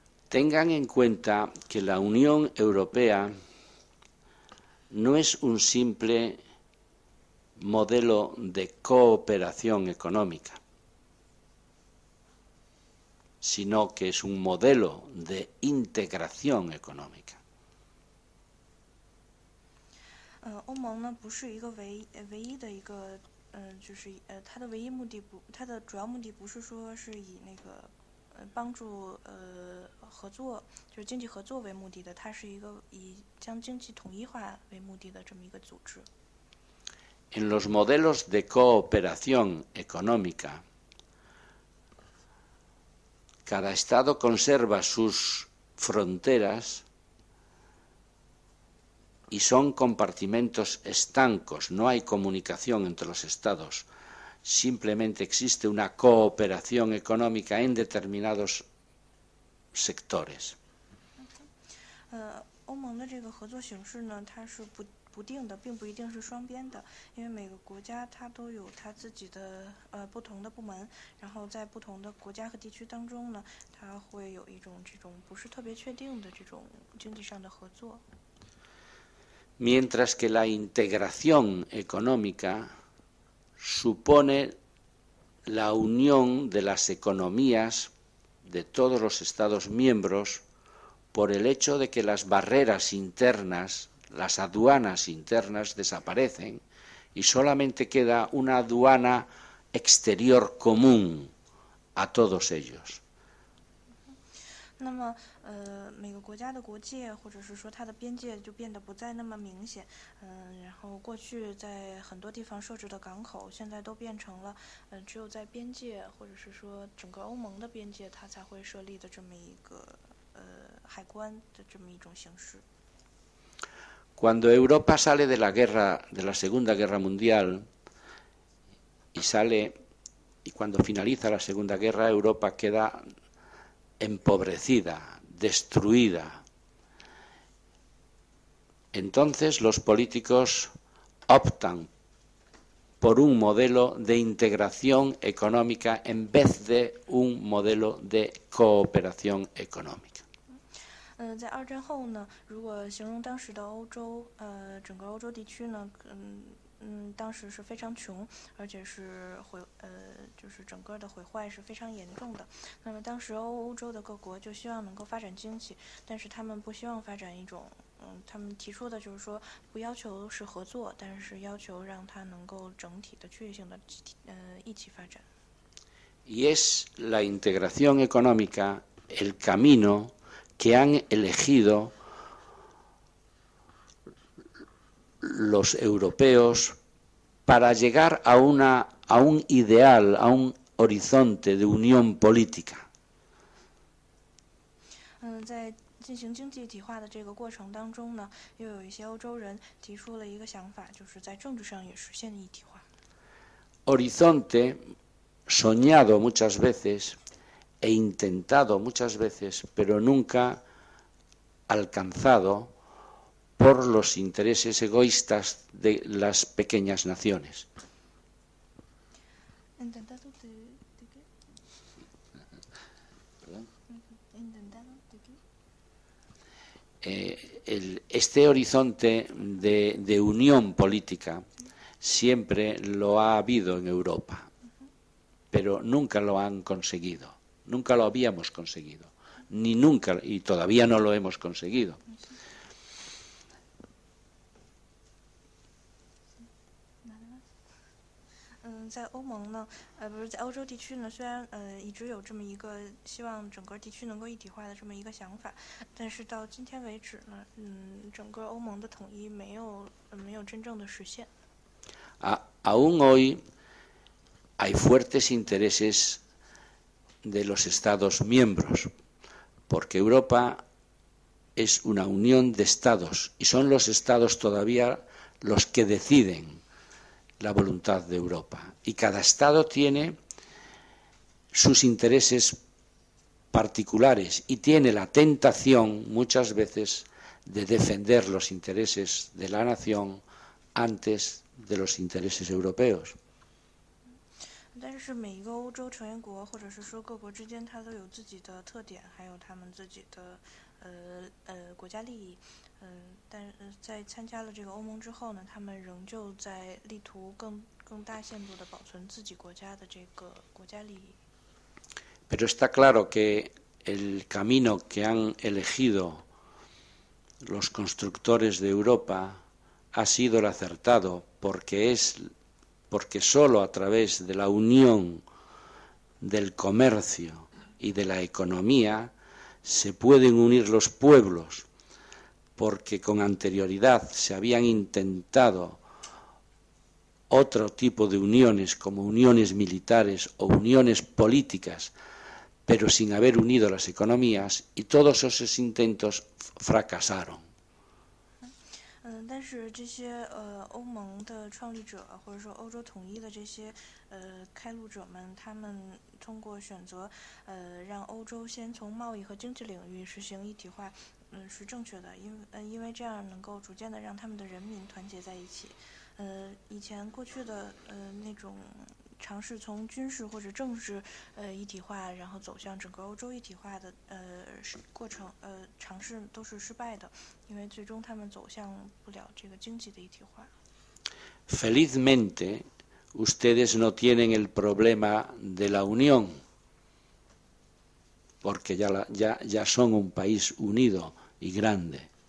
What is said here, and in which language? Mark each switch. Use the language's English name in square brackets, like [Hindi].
[Spanish] Tengan en cuenta que la Unión Europea no es un simple modelo de cooperación económica, sino que es un modelo de integración económica. [Chinese] 欧盟呢不是一个唯一的一个就是它的唯一目的不，它的主要目的不是说是以那个帮助合作，就是经济合作为目的的，它是一个以将经济统一化为目的的这么一个组织。 [Spanish] En los modelos de cooperación económica, cada estado conserva sus fronteras y son compartimentos estancos, no hay comunicación entre los estados. Simplemente existe una cooperación económica en determinados sectores. [Chinese] Okay. 欧盟的这个合作形式呢，它是不定的，并不一定是双边的，因为每个国家它都有它自己的不同的部门，然后在不同的国家和地区当中呢，它会有一种这种不是特别确定的这种经济上的合作。 [Spanish] Mientras que la integración económicaSupone la unión de las economías de todos los Estados miembros por el hecho de que las barreras internas, las aduanas internas desaparecen y solamente queda una aduana exterior común a todos ellos. [Chinese] 那么，每个国家的国界或者是说它的边界就变得不再那么明显，然后过去在很多地方设置的港口，现在都变成了，只有在边界或者是说整个欧盟的边界，它才会设立的这么一个，海关的这么一种形式。 [Spanish] Cuando Europa sale de la guerra, de la Segunda Guerra Mundial, y sale, y cuando finaliza la Segunda Guerra, Europa queda empobrecida, destruida. Entonces los políticos optan por un modelo de integración económica en vez de un modelo de cooperación económica. [Chinese] 在二战后呢，如果形容当时的欧洲，整个欧洲地区呢，当时是非常穷，而且是就是整个的毁坏是非常严重的。那么当时欧洲的各国就希望能够发展经济，但是他们不希望发展一种，他们提出的就是说不要求是合作，但是要求让它能够整体的区域性的一起发展。 [Spanish] Y es la integración económica el camino que han elegido los europeos para llegar a un ideal, a un horizonte de unión política. [Chinese] 在进行经济体化的这个过程当中呢，又有一些欧洲人提出了一个想法，就是在政治上也实现一体化。 [Spanish] Horizonte soñado muchas veces e intentado muchas veces, pero nunca alcanzado por los intereses egoístas de las pequeñas naciones. ¿Intentado de qué? ¿Intentado de qué? Este horizonte de unión política siempre lo ha habido en Europa, pero nunca lo han conseguido, nunca lo habíamos conseguido. Ni nunca, y todavía no lo hemos conseguido. ¿Sí? ¿Nada más? [Chinese] 在欧洲地区呢，虽然一直有这么一个希望整个地区能够一体化的这么一个想法，但是到今天为止呢，整个欧盟的统一没有真正的实现。 [Spanish] Aún hoy hay fuertes intereses de los Estados miembros. Porque Europa es una unión de estados y son los estados todavía los que deciden la voluntad de Europa. Y cada estado tiene sus intereses particulares y tiene la tentación muchas veces de defender los intereses de la nación antes de los intereses europeos. [Chinese] 但是每一个欧洲成员国或者是说各国之间它都有自己的特点还有他们自己的国家利益但在参加了这个欧盟之后呢他们仍旧在力图更大限度地保存自己国家的这个国家利益 [Spanish] Pero está claro que el camino que han elegido los constructores de Europa ha sido el acertado porque solo a través de la unión del comercio y de la economía se pueden unir los pueblos, porque con anterioridad se habían intentado otro tipo de uniones, como uniones militares o uniones políticas, pero sin haber unido las economías, y todos esos intentos fracasaron. [Chinese] 但是这些欧盟的创立者或者说欧洲统一的这些开路者们他们通过选择让欧洲先从贸易和经济领域实行一体化是正确的因为这样能够逐渐的让他们的人民团结在一起以前过去的那种尝试从军事或者政治一体化然后走向整个欧洲一体化的过程尝试都是失败的因为最终他们走向不了这个经济的一体化 [Spanish] Felizmente ustedes no tienen el problema de la unión porque ya son un país unido y grande